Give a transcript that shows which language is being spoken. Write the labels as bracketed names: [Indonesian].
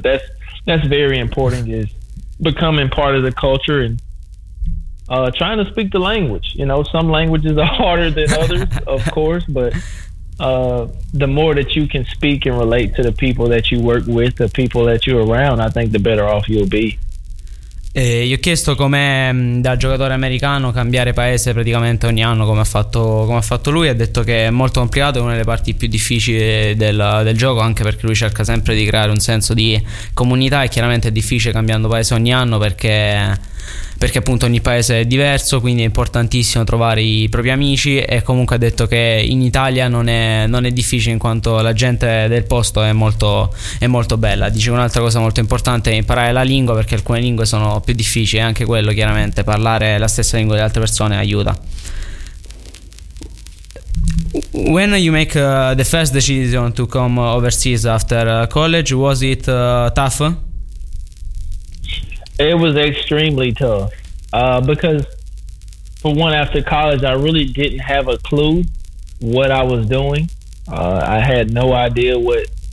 [English] But that's very important, is becoming part of the culture and trying to speak the language. You know, some languages are harder than others, of course, but the more that you can speak and relate to the people that you work with, the people that you're around, I think the better off you'll be. [Italian] Gli ho chiesto com'è da giocatore americano cambiare paese praticamente ogni anno, come ha fatto lui. Ha detto che è molto complicato, è una delle parti più difficili del gioco, anche perché lui cerca sempre di creare un senso di comunità, e chiaramente è difficile cambiando paese ogni anno perché appunto ogni paese è diverso, quindi è importantissimo trovare i propri amici. E comunque ha detto che in Italia non è difficile, in quanto la gente del posto è molto bella. Dice che un'altra cosa molto importante è imparare la lingua, perché alcune lingue sono più difficili, e anche quello, chiaramente, parlare la stessa lingua di altre persone aiuta. [English] When you make the first decision to come overseas after college, was it tough? It was extremely tough, because for one, after college, I really didn't have a clue what I was doing. I had no idea what